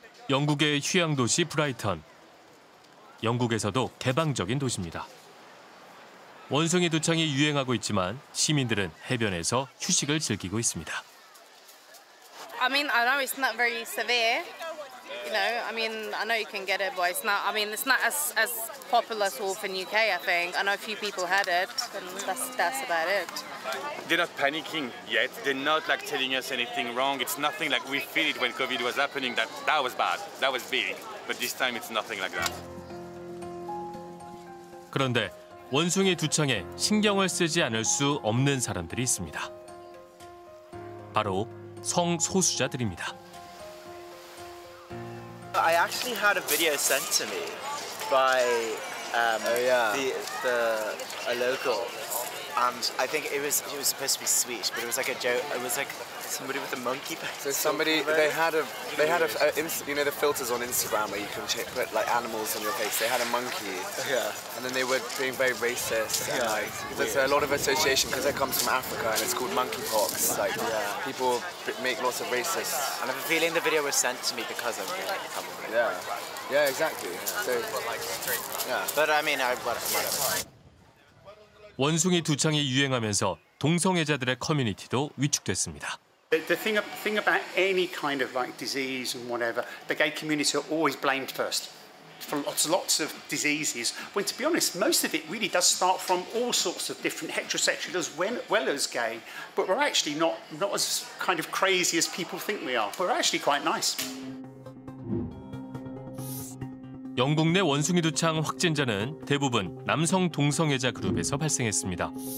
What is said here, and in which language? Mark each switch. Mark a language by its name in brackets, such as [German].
[Korean] 영국의 휴양도시 브라이턴. 영국에서도 개방적인 도시입니다. 원숭이 두창이 유행하고 있지만 시민들은 해변에서 휴식을 즐기고 있습니다. [English] I mean, I know it's not very severe. You know, I mean, I know you can get it, but it's not. I mean, it's not as popular sort of in UK. I think I know a few people had it, and that's about it. They're not panicking yet. They're not like telling us anything wrong. It's nothing like we feel it when COVID was happening. That was bad. That was big. But this time, it's nothing like that. [Korean] 그런데 원숭이 두창에 신경을 쓰지 않을 수 없는 사람들이 있습니다. 바로 성소수자들입니다. [English] I actually had a video sent to me by a local, and I think it was supposed to be sweet, but it was like a joke. It was like somebody with a monkey pet. So somebody they had the filters on Instagram where you can put like animals on your face. They had a monkey. Yeah. And then they were being very racist. Yeah. And, like, there's a lot of association because it comes from Africa and it's called monkeypox. Like, yeah. People make lots of racist. And I have a feeling the video was sent to me because of it. Yeah. Yeah. Exactly. Yeah. But I mean, whatever. [Korean] 원숭이 두창이 유행하면서 동성애자들의 커뮤니티도 위축됐습니다. [English] The thing about any kind of like disease and whatever, the gay community are always blamed first for lots of diseases. When to be honest, most of it really does start from all sorts of different heterosexuals, well as gay, but we're actually not as kind of crazy as people think we are. We're actually quite nice. [Korean] 영국 내 원숭이 두창 확진자는 대부분 남성 동성애자 그룹에서 발생했습니다.